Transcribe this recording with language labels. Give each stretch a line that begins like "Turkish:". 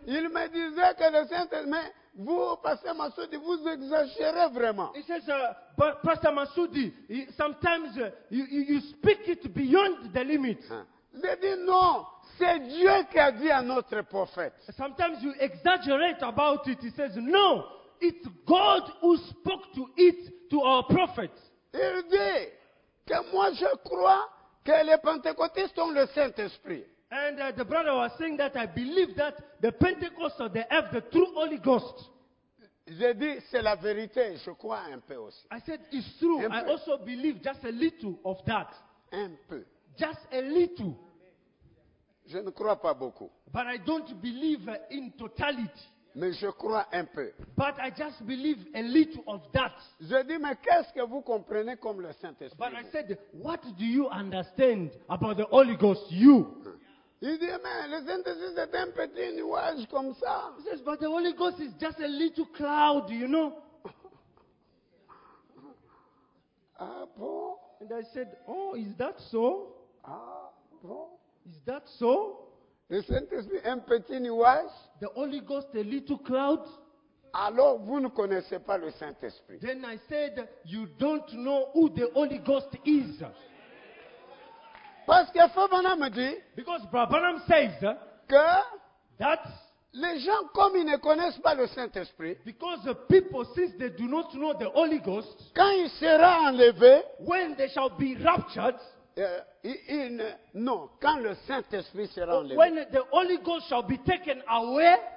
French: Il me disait que le Saint-Esprit, vous, Pasteur Massoudi, vous exagérez vraiment.
English: He says, Pasteur Massoudi, sometimes you speak it beyond the limit.
French: Je dis non, c'est Dieu qui a dit à notre prophète.
English: Sometimes you exaggerate about it. He says, no, it's God who spoke to it to our prophets.
French: Il dit que moi je crois que les Pentecôtistes ont le Saint-Esprit.
English: And the brother was saying that I believe that the Pentecostals, they have the true Holy Ghost.
French: J'ai dit, c'est la vérité, je crois un peu aussi.
English: I said, it's true, I also believe just a little of that.
French: Un peu.
English: Just a little.
French: Je ne crois pas beaucoup.
English: But I don't believe in totality.
French: Mais je crois un peu.
English: But I just believe a little of that.
French: J'ai dit, mais qu'est-ce que vous comprenez comme le Saint-Esprit?
English: But I said, what do you understand about the Holy Ghost, you?
French: Il dit, mais le Saint-Esprit c'est un petit nuage comme ça.
English: He says, but the Holy Ghost is just a little cloud, you know.
French: Ah bon?
English: And I said, oh, is that so?
French: Ah bon?
English: Is that so?
French: Le Saint-Esprit un petit nuage?
English: The Holy Ghost a little cloud?
French: Alors vous ne connaissez pas le Saint-Esprit.
English: Then I said, you don't know who the Holy Ghost is.
French: Parce que Frère Branham dit,
English: because Brother Branham says,
French: que
English: that
French: les gens comme ils ne connaissent pas le Saint-Esprit,
English: because the people since they do not know the Holy Ghost,
French: quand il sera enlevé,
English: when they shall be raptured,
French: quand le Saint-Esprit sera enlevé,
English: when the Holy Ghost shall be taken away,